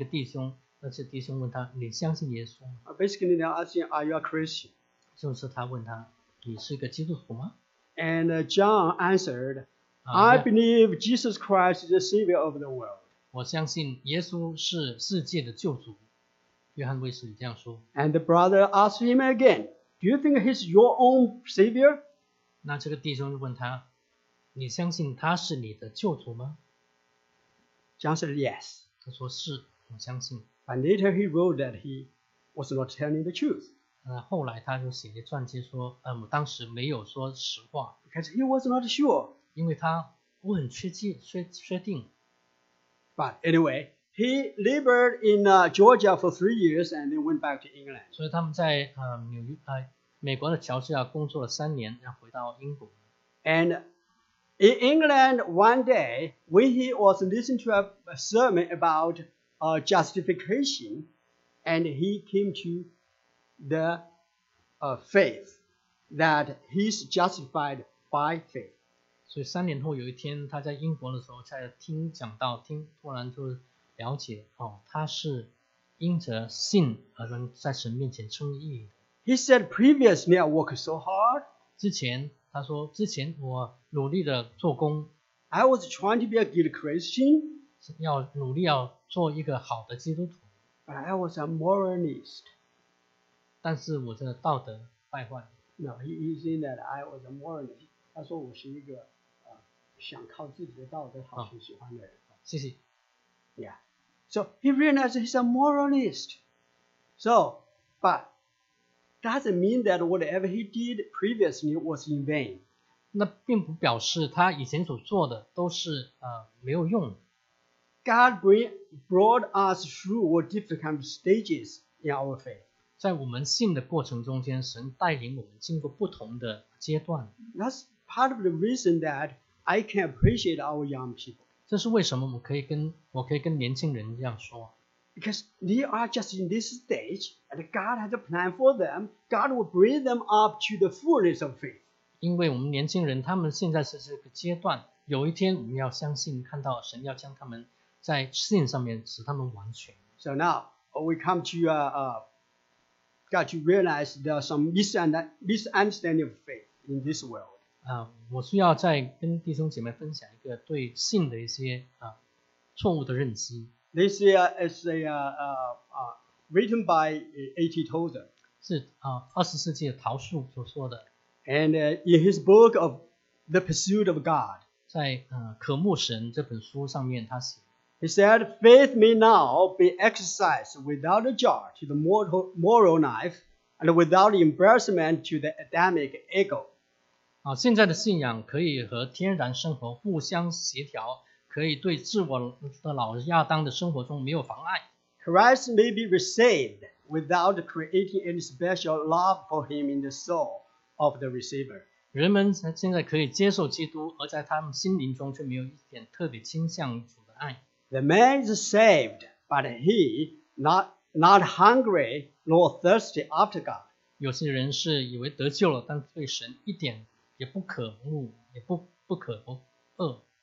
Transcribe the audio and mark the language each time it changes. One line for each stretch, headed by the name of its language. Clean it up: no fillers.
Chinese: 当他跟其中一个莫拉里维他的弟兄会，他问一个弟兄，那些弟兄问他，你相信耶稣吗？
English: Basically, they asking, "Are you a Christian?"
Chinese: 就是他问他，你是个基督徒吗？
English: And John answered, "I believe Jesus Christ is the Savior of the world."
Chinese: 我相信耶稣是世界的救主。约翰卫斯理这样说。
English: And the brother asked him again, "Do you think he's your own Savior?"
Chinese: 那这个弟兄就问他， 你相信他是你的救主吗？
English: John said yes.
Chinese: 他说是，我相信。
English: And later he wrote that he was not telling the truth.
Chinese: 后来他就写了传记说，我当时没有说实话。
English: Because he was not sure.
Chinese: 因为他不很确定。
English: But anyway, he lived in Georgia for 3 years and then went back to England.
Chinese: 所以他们在美国的乔治亚工作了三年，然后回到英国。
English: And in England, one day when he was listening to a sermon about justification, and he came to the faith that he's justified by faith.
Chinese: 所以三年后有一天，他在英国的时候，在听讲道，突然就了解，哦，他是因着信而能在神面前称义。
English: He said previously I worked so hard.
Chinese: 之前他说之前我努力的做工。
English: I was trying to be a good Christian.
Chinese: 要努力要做一个好的基督徒。
English: But I was a moralist.
Chinese: 但是我的道德败坏。
English: No, he said that I was a moralist.
Chinese: 他说我是一个想靠自己的道德好去喜欢的人。谢谢。
English: Yeah. So he realized he's a moralist. So, but. Doesn't mean that whatever he did previously was in vain.
Chinese: 那并不表示他以前所做的都是没有用。
English: God brought us through what difficult stages in our faith.
Chinese: 在我们信的过程中间，神带领我们经过不同的阶段。
English: That's part of the reason that I can appreciate our young people. 这是为什么我可以跟年轻人一样说。 Because they are just in this stage, and God has a plan for them. God will bring them up to the fullness of faith.
Chinese: 因为我们年轻人，他们现在是这个阶段，有一天我们要相信，看到神要将他们在信上面使他们完全。
English: So now we come to got to realize there are some misunderstanding of faith in this world.
Chinese: 我需要再跟弟兄姐妹分享一个对信的一些错误的认知。
English: This is written by A.T. Tozer.
Chinese: 是二十世纪的陶树所说的。
English: And in his book of The Pursuit of God,
Chinese: 在渴慕神这本书上面，他写。
English: He said, "Faith may now be exercised without a jar to the moral knife, and without embarrassment to the Adamic ego."
Chinese: 现在的信仰可以和天然生活互相协调。可以对自我的老亚当的生活中没有妨碍。
English: Christ may be received without creating any special love for him in the soul of the receiver.
Chinese: 人们现在可以接受基督，而在他们心灵中却没有一点特别倾向主的爱。
English: The man is saved, but he not hungry nor thirsty after God.
Chinese: 有些人是以为得救了，但对神一点也不渴慕，也不渴不饿。